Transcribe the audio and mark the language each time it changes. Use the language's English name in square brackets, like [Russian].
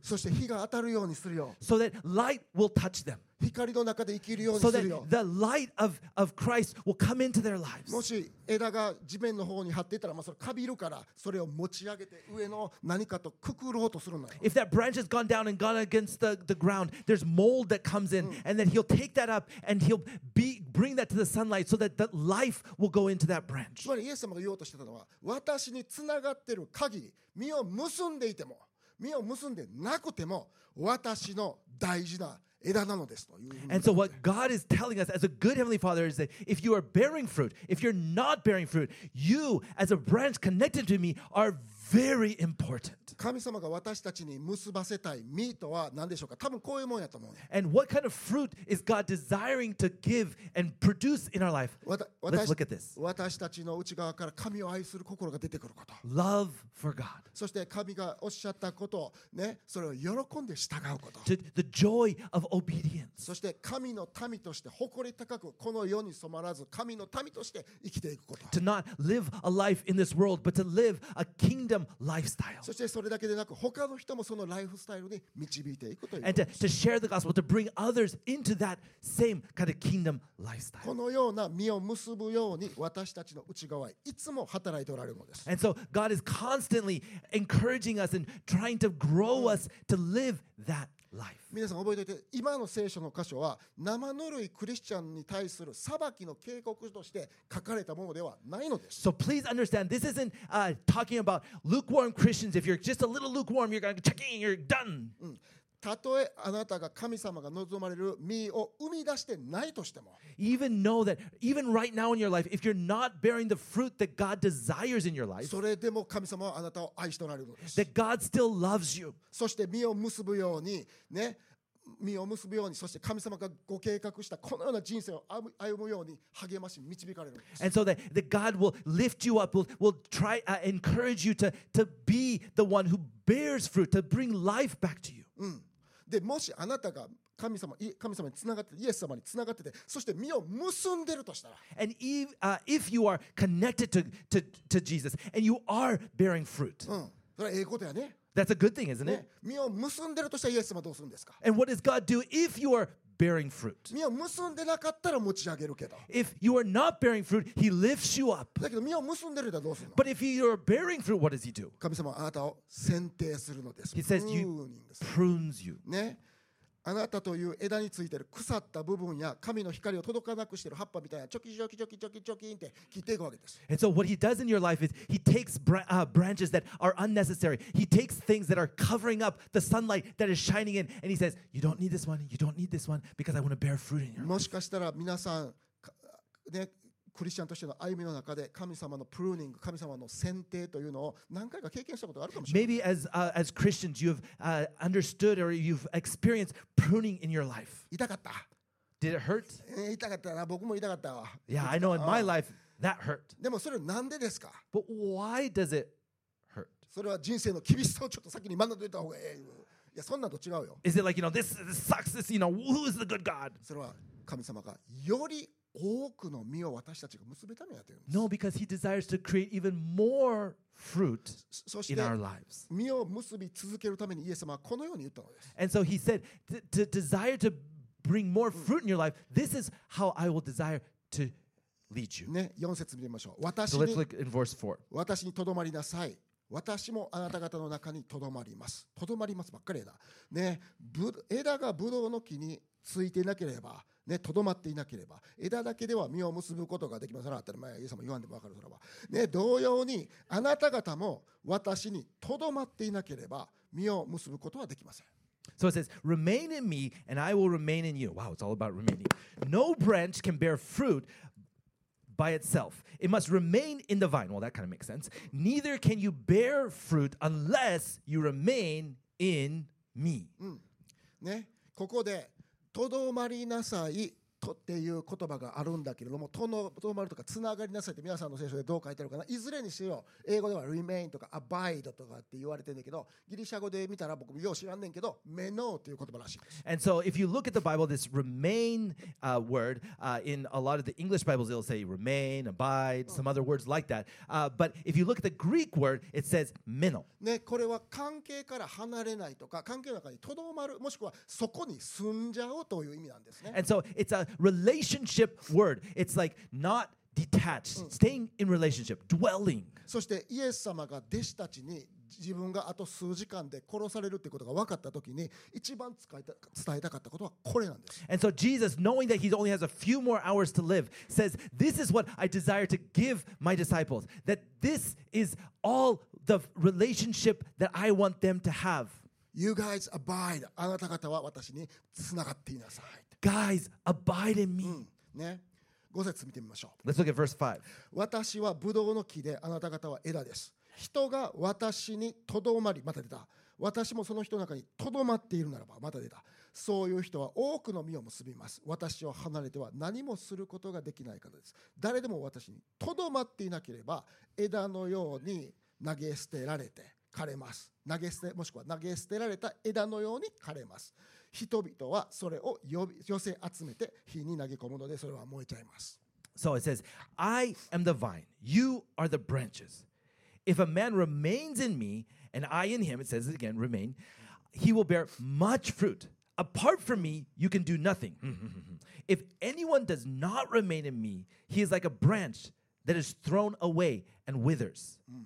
[Japanese] そして日が当たるようにするよ。 [English] So that light will touch them. [Japanese] 光の中で生きるようにするよ。 [English] So that the light of Christ will come into their lives. [Japanese] もし枝が地面の方に張っていたら、まあ、それカビるからそれを持ち上げて上の何かとくくろうとするんだよ。 [English] If that branch has gone down and gone against the ground, there's mold that comes in, and then he'll take that up and he'll bring that to the sunlight so that the life will go into that branch. [Japanese] つまりイエス様が言おうとしてたのは、私につながってる限り、実を結んでいても、実を結んでなくても、私の大事な枝なのですというふうに。 [English] And so what God is telling us as a good heavenly father is that if you are bearing fruit, if you're not bearing fruit, you as a branch connected to me are very important. [Japanese] 神様が私たちに結ばせたい実とは何でしょうか。多分こういうもんやと思う、ね。 [English] And what kind of fruit is God desiring to give and produce in our life? Let's look at this. [Japanese] 私たちの内側から神を愛する心が出てくること。 [English] Love for God. [Japanese] そして神がおっしゃったことをね、それを喜んで従うこと。 [English] To the joy of obedience. [Japanese] そして神の民として誇り高くこの世に染まらず神の民として生きていくこと。 [English] To not live a life in this world, but to live a kingdom lifestyle. [Japanese] そしてそれだけでなく他の人もそのライフスタイルに導いていくという。 [English] And to share the gospel, to bring others into that same kind of kingdom lifestyle. [Japanese] このような実を結ぶように私たちの内側はいつも働いておられるのです。 [English] And so God is constantly encouraging us and trying to grow us to live that. [Japanese] 皆さん覚えておいて、今の聖書の箇所は生ぬるいクリスチャンに対する裁きの警告として書かれたものではないのです。 [English] So please understand, this isn't talking about lukewarm Christians. If you're just a little lukewarm, you're gonna check in, you're done. [Japanese] たとえあなたが神様が望まれる実を生み出してないとしても、 [English] even know that even right now in your life, if you're not bearing the fruit that God desires in your life, [Japanese] それでも神様はあなたを愛しておられるのです。 [English] That God still loves you. [Japanese] そして実を結ぶようにね、実を結ぶように、そして神様がご計画したこのような人生を歩むように励まし導かれるんです。 [English] And so that God will lift you up, will try encourage you to be the one who bears fruit, to bring life back to you. [Japanese] でもしあなたが神様につながって、イエス様につながってて、そして実を結んでるとしたら、 [English] and if you are connected to Jesus and you are bearing fruit、 [Japanese] それはいいことやね。 [English] That's a good thing, isn't it? [Japanese] 実を結んでるとしたらイエス様どうするんですか。 [English] And what does God do if you are bearing fruit? [Japanese] 実を結んでなかったら持ち上げるけど。 [English] If you are not bearing fruit, He lifts you up. [Japanese] だけど実を結んでるとどうするの。 [English] But if you are bearing fruit, what does He do? [Japanese] 神様はあなたを剪定するのです。 [English] He says He prunes you. [Japanese] ね。あなたという枝についている腐った部分や神の光を届かなくしている葉っぱみたいなチョキチョキチョキチョキチョキって切っていくわけです。 [English] And so what he does in your life is he takes branches that are unnecessary. He takes things that are covering up the sunlight that is shining in, and he says, "You don't need this one. You don't need this one because I want to bear fruit in your life." [Japanese] もしかしたら皆さんね。クリスチャンとしての歩みの中で神様のプルーニング、神様の剪定というのを何回か経験したことがあるかもしれない。 [English] Maybe as Christians you've understood or you've experienced pruning in your life. [Japanese] 痛かった。 [English] Did it hurt? [Japanese] 痛かったな。僕も痛かったわ。 [English] Yeah, I know in my life that hurt. [Japanese] でもそれなんでですか。 [English] But why does it hurt? [Japanese] それは人生の厳しさをちょっと先に学んでおいた方がいい。いやそんなと違うよ。 [English] Is it like, you know, this sucks, this, you know, who's the good God? [Japanese] それは神様がより多くの実を私たちが結べたのやというんです。 [English] No, because he desires to create even more fruit in our lives. [Japanese] 実を結び続けるためにイエス様はこのように言ったのです。 [English] And so he said, to desire to bring more fruit in your life, this is how I will desire to lead you.、 [Japanese] ね、4節見てみましょう。 [English] So let's look in verse 4. [Japanese] 私にとどまりなさい。私もあなた方の中にとどまります。とどまりますばっかりだ。ね、枝がブドウの木についていなければ、ね、とどまっていなければ枝だけでは実を結ぶことができません。当たり前、イエス様言わんでも分かる。それは、ね、同様にあなた方も私にとどまっていなければ実を結ぶことはできません。 [English] So it says, remain in me and I will remain in you. Wow, it's all about remaining. No branch can bear fruit by itself. It must remain in the vine. Well, that kind of makes sense. Neither can you bear fruit unless you remain in me.、 [Japanese] ね、ここでとどまりなさいとっていう言葉があるんだけれども、とどまるとかつながりなさいって皆さんの聖書でどう書いてあるかな。いずれにしよう、英語では remain とか abide とかって言われてるんだけど、ギリシャ語で見たら僕もよう知らんねんけど、メノーっていう言葉らしい。 [English] And so if you look at the Bible, this remain word in a lot of the English Bibles, it'll say remain, abide, some other words like that. But if you look at the Greek word, it says メノ。 [Japanese] ね、これは関係から離れないとか、関係の中にとどまる、もしくはそこに住んじゃうという意味なんですね。 [English] And so it'sa relationship word. It's like not detached, staying in relationship, dwelling. [Japanese] そしてイエス様が弟子たちに自分があと数時間で殺されるということが分かったときに一番伝えたかったことはこれなんです。 [English] And so Jesus, knowing that he only has a few more hours to live, says, this is what I desire to give my disciples. That this is all the relationship that I want them to have. You guys abide. [Japanese] あなた方は私につながっていなさい。 [English] Guys, abide in me.、 [Japanese] ね、5節見てみましょう。 [English] Let's look at verse 5. [Japanese] 私はブドウの木で、あなた方は枝です。人が私にとどまり、また出た。私もその人の中にとどまっているならば、また出た。そういう人は多くの実を結びます。私を離れては何もすることができない方です。誰でも私にとどまっていなければ、枝のように投げ捨てられて枯れます。投げ捨て、もしくは投げ捨てられた枝のように枯れます。人々はそれを寄せ集めて火に投げ込むので、それは燃えちゃいます。 [English] So it says, I am the vine, you are the branches. If a man remains in me and I in him, it says again, remain, he will bear much fruit. Apart from me, you can do nothing. If anyone does not remain in me, he is like a branch that is thrown away and withers.